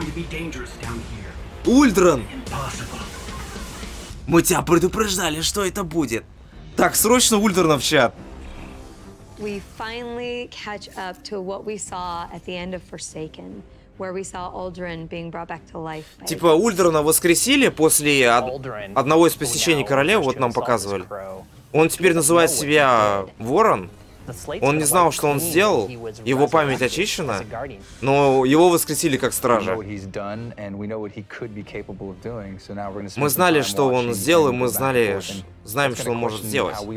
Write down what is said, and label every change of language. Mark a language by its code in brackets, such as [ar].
[ru] Да ты гонишь! Ульдран! Мы тебя предупреждали, что это будет! Так, срочно Ульдрана в чат! [en] We finally catch up to what we saw at the end of Forsaken, where we saw Uldren being brought back to life. [ru] Типа Ульдрана воскресили после одного из посещений короля, вот нам показывали. Он теперь называет себя Ворон. Он не знал, что он сделал. Его память очищена, но его воскресили как стража. Мы знали, что он сделал, и мы знаем, что он может сделать.